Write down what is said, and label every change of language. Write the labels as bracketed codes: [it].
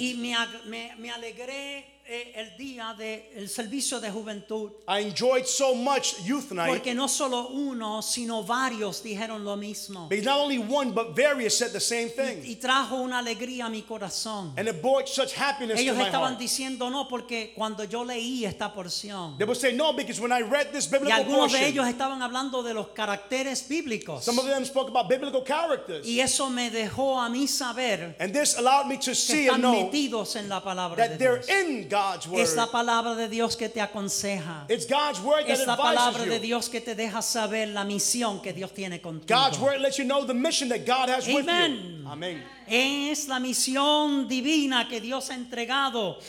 [es] Y me alegré el día del servicio de juventud. [en] I enjoyed so much youth night. [es] Porque no solo uno, sino varios dijeron lo mismo. [en] Because not only one, but various said the same thing. [es] Y trajo una alegría a mi corazón. [en] And it brought such happiness [es] ellos [en] to my heart. [es] Ellos estaban diciendo no porque cuando yo leí esta porción. [en] They would say no because when I read this biblical portion. [es] Y algunos [en] portion, [es] de ellos estaban hablando de los caracteres bíblicos. [en] Some of them spoke about biblical characters. [es] Y eso me dejó a mí saber. [en] And this allowed me to see and know. [es] Que están metidos en la palabra [en] that [es] de Dios. [en] They're in God's word. [es] Es la palabra de Dios que te aconseja. [en] It's God's word that advises you. [es] Es la palabra de Dios que te deja saber la misión que Dios tiene contigo. [en] God's word lets you know the mission that God has amen with you. Amen. [es] Es la misión divina que Dios ha entregado